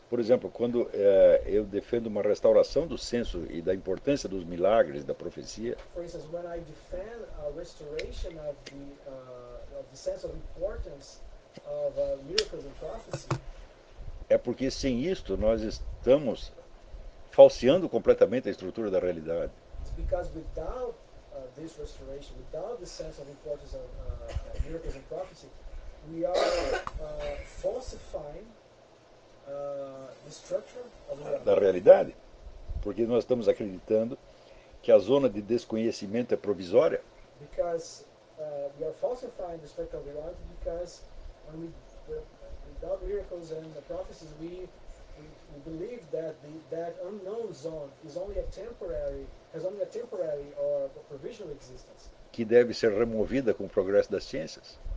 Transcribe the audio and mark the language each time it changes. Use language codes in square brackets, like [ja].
[pt] Por exemplo, quando eu defendo uma restauração do censo e da importância dos milagres, da profecia. [en] For instance, when I defend a restoration of the sense of importance of miracles and prophecy. [pt] É porque sem isto nós estamos falseando completamente a estrutura da realidade. [en] It's because without this restoration, without the sense of importance of miracles and prophecy, we are falsifying the structure of reality. [pt] Da realidade, porque nós estamos acreditando que a zona de desconhecimento é provisória. [en] Because we are falsifying the structure of reality because when we without miracles and the prophecies we we believe that that unknown zone is only a temporary, has only a temporary or a provisional existence. [pt] Que deve ser removida com o progresso das ciências.